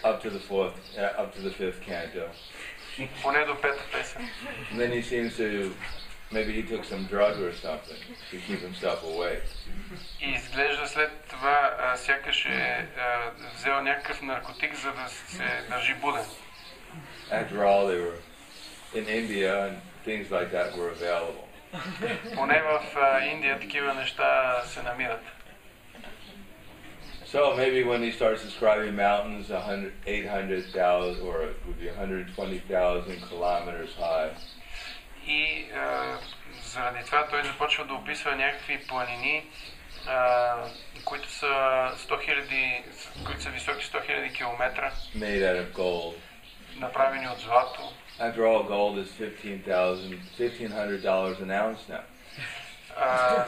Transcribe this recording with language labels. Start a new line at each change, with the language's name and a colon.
English: Up to the fifth canto.
Bulgarian: Поне до пета песен.
English: And then he seems to maybe he took some drug or something to keep himself awake.
Bulgarian: Изглежда след това сякаш е взел някакъв наркотик, за да се държи буден.
English: After all, they were in India and things like that were available.
Bulgarian: Поне в Индия такива неща се намират.
English: So maybe when he starts describing mountains 800,000 or it would be 120,000 kilometers high.
Bulgarian: И заради това той започва да описва някакви планини, които са 100,000, които са високи 100,000 километра.
English: Made out of gold.
Bulgarian: Направени от злато.
English: After all, gold is $1,500 an ounce now.